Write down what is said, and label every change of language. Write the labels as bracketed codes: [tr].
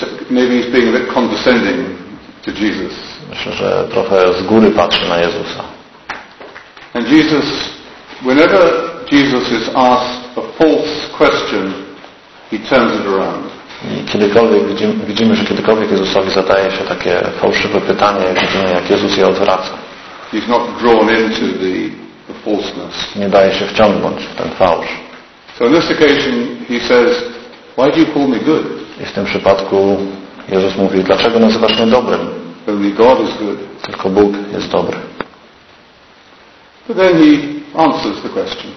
[en] Maybe he's being a bit condescending to Jesus. [pl] Myślę, że trochę z góry patrzy na Jezusa. [en] And Jesus, whenever Jesus is asked a false question, he turns it around. [pl] I kiedykolwiek widzimy, że kiedykolwiek Jezusowi zadaje się takie fałszywe pytanie, widzimy, jak Jezus je odwraca. [en] He's not drawn into the falseness. [pl] Nie daje się wciągnąć w ten fałsz. [en] So on this occasion he says, "Why do you call me good?" [pl] I w tym przypadku Jezus mówi: "Dlaczego nazywasz mnie dobrym?" [en] Only God is good. [pl] Tylko Bóg jest dobry. [en] But then he answers the question.